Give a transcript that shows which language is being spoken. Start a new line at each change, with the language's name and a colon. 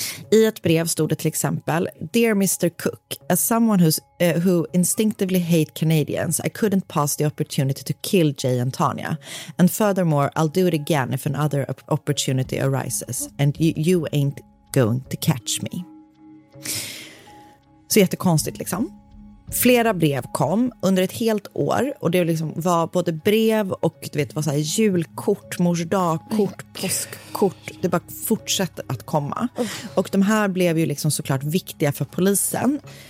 Swedish: I ett brev stod det till exempel:
English: "Dear Mr. Cook, as someone who instinctively hate Canadians, I couldn't pass the opportunity to kill Jay and Tanya. And furthermore, I'll do it again if another opportunity arises. And you ain't going to catch me."
Swedish: Så jättekonstigt liksom. Flera brev kom under ett helt år, och det liksom var både brev och, du vet, var så här julkort, morsdagkort, påskkort. Det bara fortsätter att komma. Och de här blev ju liksom såklart viktiga för polisen.